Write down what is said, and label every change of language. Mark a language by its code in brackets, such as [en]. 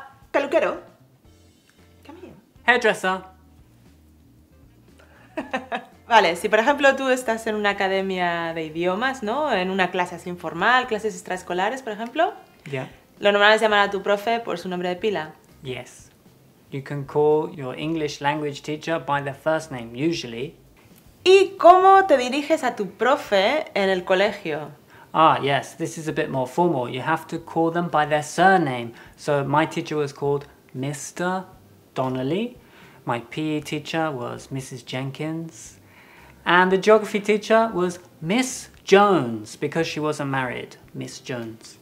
[es] Peluquero. [en] Come here. Hairdresser. [es] Vale, si por ejemplo tú estás en una academia de idiomas, ¿no? En una clase así informal, clases extraescolares, por ejemplo. [en] Yeah. [es] Lo normal es llamar a tu profe por su nombre de pila. [en] Yes. You can call your English language teacher by their first name, usually. [es] ¿Y cómo te diriges a tu profe en el colegio? [en] Ah, yes. This is a bit more formal. You have to call them by their surname. So my teacher was called Mr. Donnelly. My PE teacher was Mrs. Jenkins. And the geography teacher was Miss Jones, because she wasn't married, Miss Jones.